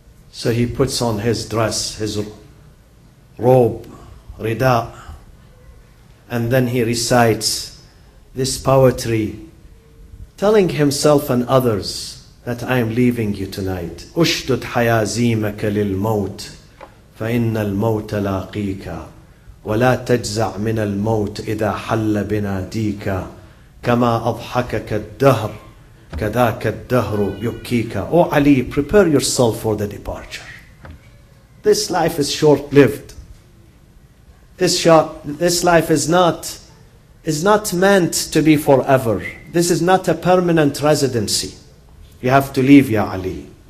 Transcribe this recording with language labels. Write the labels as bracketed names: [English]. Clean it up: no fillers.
[English] So he puts on his dress, his robe, Rida, and then he recites this poetry telling himself and others that I am leaving you tonight. [Arabic] أشدد حيازيمك للموت فإن الموت لاقيك ولا تجزع من الموت إذا حل بناديك كما أضحكك الدهر كذاك الدهر يبكيك. [English] O Ali, prepare yourself for the departure. This life is short-lived. This life is not meant to be forever. This is not a permanent residency. You have to leave, Ya Ali.